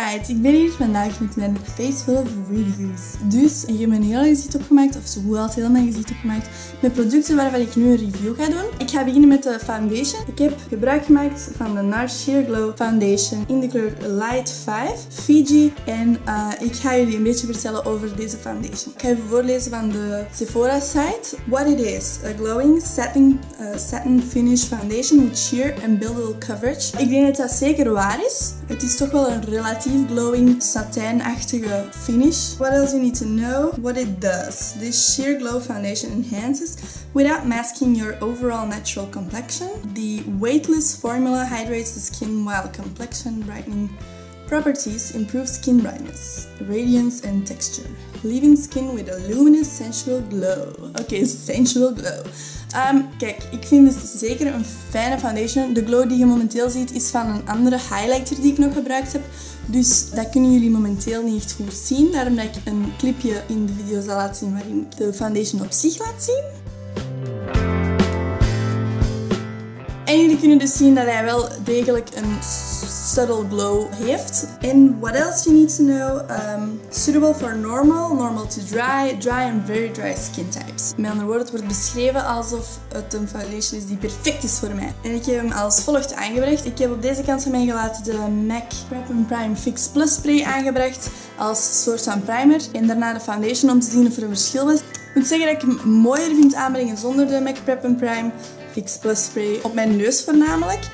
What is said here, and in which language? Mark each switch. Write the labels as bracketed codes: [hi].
[nl] Ik ben hier vandaag met mijn [en] face full of reviews. [nl] Dus, ik heb mijn hele gezicht opgemaakt, of zo altijd helemaal mijn gezicht opgemaakt, met producten waarvan ik nu een review ga doen. Ik ga beginnen met de foundation. Ik heb gebruik gemaakt van de NARS Sheerglow Foundation in de kleur Light 5 Fiji. En ik ga jullie een beetje vertellen over deze foundation. Ik ga even voorlezen van de Sephora site. [en] What it is, a glowing satin finish foundation with sheer and buildable coverage. [nl] Ik denk dat dat zeker waar is. Het is toch wel een relatief glowing satijnachtige finish. [en] What else you need to know? What it does. This sheer glow foundation enhances without masking your overall natural complexion. The weightless formula hydrates the skin while complexion brightening properties improve skin brightness, radiance and texture, leaving skin with a luminous sensual glow. Okay, sensual glow. [nl] Kijk, ik vind het zeker een fijne foundation. De glow die je momenteel ziet is van een andere highlighter die ik nog gebruikt heb. Dus dat kunnen jullie momenteel niet echt goed zien. Daarom dat ik een clipje in de video zal laten zien waarin ik de foundation op zich laat zien. En jullie kunnen dus zien dat hij wel degelijk een [en] subtle glow [nl] heeft. [en] And what else you need to know? Suitable for normal to dry and very dry skin types. [nl] Met andere woorden, het wordt beschreven alsof het een foundation is die perfect is voor mij. En ik heb hem als volgt aangebracht. Ik heb op deze kant van mij gelaten de MAC Prep & Prime Fix Plus Spray aangebracht als soort van primer. En daarna de foundation om te zien of er een verschil was. Ik moet zeggen dat ik hem mooier vind aanbrengen zonder de MAC Prep & Prime Fix Plus Spray op mijn neus voornamelijk.